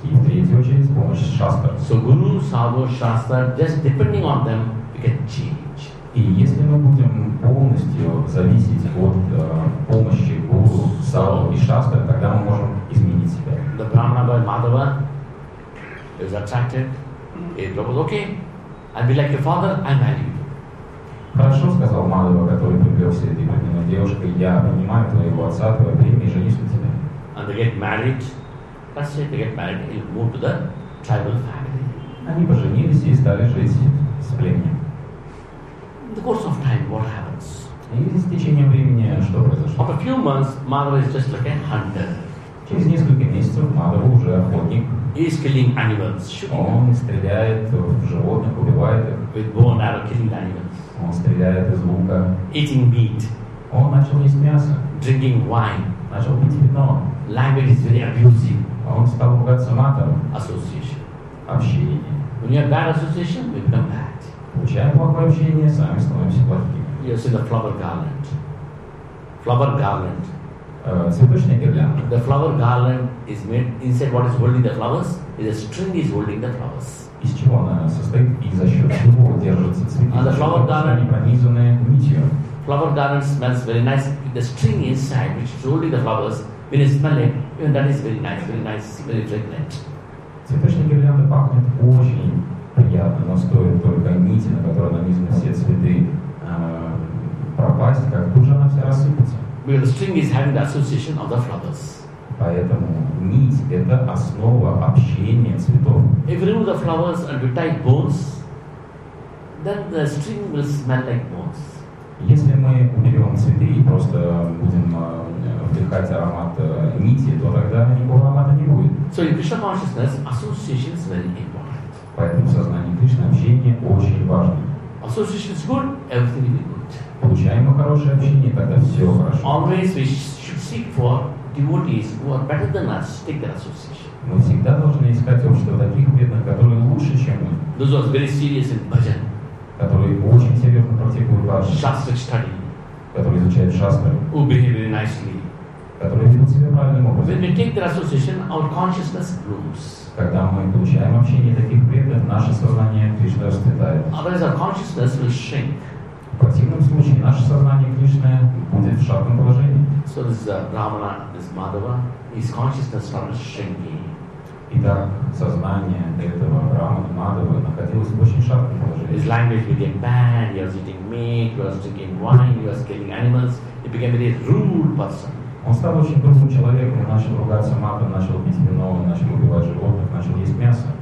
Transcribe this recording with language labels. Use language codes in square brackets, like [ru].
[ru] И в третью очередь с помощью шастр. [en] So Guru, sadhus, shastra, just depending on them, we can change. [ru] И если мы будем полностью зависеть от помощи Гуру, садху и шастр, тогда мы можем изменить себя. [en] The Brahmana boy Madhava is attracted. He goes, okay, I'll be like your father, I'll marry you. [ru] Хорошо, сказал Мадхава, который привлекся этой преданной девушкой, я принимаю твоего отца, твое племя и женюсь на тебе. [en] And they get married. Let's say they get married, they move to the tribal family. [ru] Они поженились и стали жить с племенем. [en] In the course of time, what happens? [ru] И с течением времени что произошло? [en] After a few months, Madhava is just like a hunter. [ru] Через несколько месяцев Мадхава уже охотник. [en] He is killing animals, [ru] он стреляет в животных, убивает их. [en] With bow and arrow, killing the animals. [ru] Он стреляет из лука. [en] Eating meat. [ru] Он начал есть мясо. [en] Drinking wine. [ru] Начал пить вино. [en] Language is very abusive. [ru] Он стал ругаться матом. [en] Association. [ru] Общение. [en] When you have bad association, we become bad. [ru] Получая плохое общение, сами становимся плохими. [en] You see the flower garland. Flower garland. [ru] Цветочная гирлянда. [en] The flower garland is made inside what is holding the flowers. Is a string is holding the flowers. [ru] Из чего она состоит и за счет чего держатся цветы? [en] And the flower garland, [ru] они пронизаны нитью. [en] Flower garland smells very nice. The string inside which is holding the flowers, when you smell it, even that is very nice, very fragrant. [ru] Цветочная гирлянда пахнет очень приятно, но стоит только нити, на которой нанизаны все цветы, пропасть, как тут же она вся рассыпется. [en] Because the string is having the association of the flowers. [ru] Поэтому нить – это основа общения цветов. [en] If you remove the flowers and retire bones, then the string will smell like bones. [ru] Если мы уберем цветы и просто будем вдыхать аромат нити, то тогда никакого аромата не будет. [en] So in Krishna consciousness, association is very important. [ru] Поэтому в сознании Кришны общение очень важно. [en] Association is good, everything will be good. [ru] Получаем мы хорошее общение, тогда все хорошо. [en] Always we should seek for devotees who are better than us, take their association. [ru] Мы всегда должны искать общество таких преданных, которые лучше, чем мы. [en] Those are very serious in bhajan. [ru] Которые очень серьезно практикуют бхаджан. [en] Shastra study. [ru] Которые изучают шастры. [en] Who behave very nicely. [ru] Которые ведут себя правильным образом. [en] When we take their association, our consciousness grows. [ru] Когда мы получаем общение таких преданных, наше сознание Кришны расцветает. [en] Otherwise our consciousness will shrink. [ru] В противном случае наше сознание Кришны будет в шатком положении. [en] So this is Brahmana, this Madhava, his consciousness started shrinking. [ru] Итак, сознание этого Брахмана Мадхавы находилось в очень шатком положении. [en] His language became bad, he was eating meat, he was drinking wine, he was killing animals, he became a very rude person. [ru] Он стал очень грубым человеком, начал ругаться матом, начал пить вино, начал убивать животных, начал есть мясо.